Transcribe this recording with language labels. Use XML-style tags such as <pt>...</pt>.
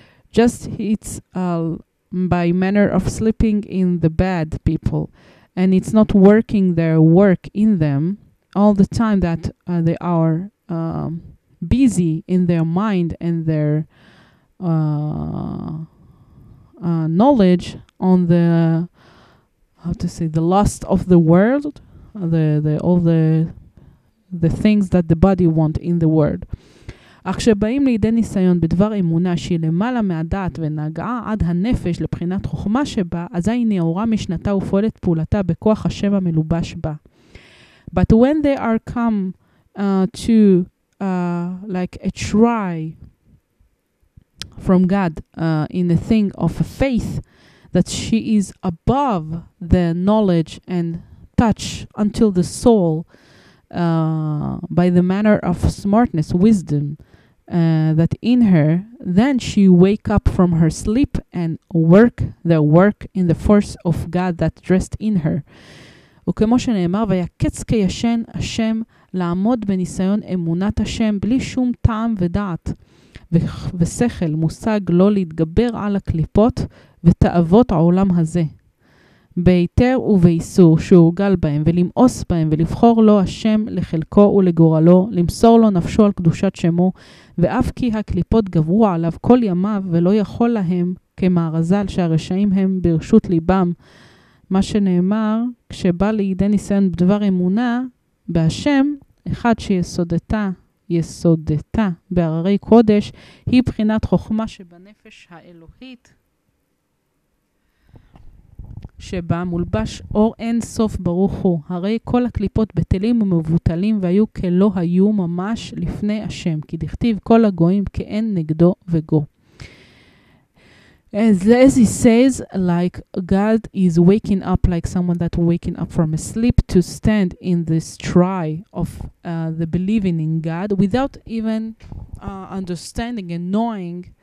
<en>Just it's by manner of sleeping in the bed, people, and it's not working their work in them all the time, that they are busy in their mind and their knowledge on the, how to say, the lust of the world, the things that the body want in the world.</en> <he>אך שבאים לידי ניסיון בדבר אמונה שהיא למעלה מהדעת ונגעה עד הנפש לבחינת חוכמה שבה, אזי נאורה משנתה ופועלת פעולתה בכוח השם המלובש בה.</he> <en>But when they are come like a try from God in the thing of a faith, that she is above the knowledge and touch until the soul by the manner of smartness, wisdom, that in her, then she wake up from her sleep and work the work in the force of God that dressed in her.</en> <he>וכמו שנאמר, ויקץ כישן השם לעמוד בניסיון אמונת השם בלי שום טעם ודעת ושכל מושג, לא להתגבר על הקליפות ותאבות העולם הזה ביתר ובאיסור שהורגל בהם, ולמאוס בהם, ולבחור לו השם לחלקו ולגורלו, למסור לו נפשו על קדושת שמו, ואף כי הקליפות גברו עליו כל ימיו, ולא יכול להם כמערזל שהרשעים הם ברשות ליבם. מה שנאמר, כשבא לידי ניסיון בדבר אמונה בהשם, אחד שיסודתה יסודתה בהררי קודש, היא בחינת חוכמה שבנפש האלוהית, שבה מולבש אור אין סוף ברוך הוא. הרי כל הקליפות בטלים ומבוטלים, והיו כלא היו ממש לפני השם, כי דכתיב כל הגויים כאין נגדו וגו.</he> <en>As he says, like God is waking up, like someone that waking up from a sleep to stand in this try of the believing in God without even understanding and knowing</en>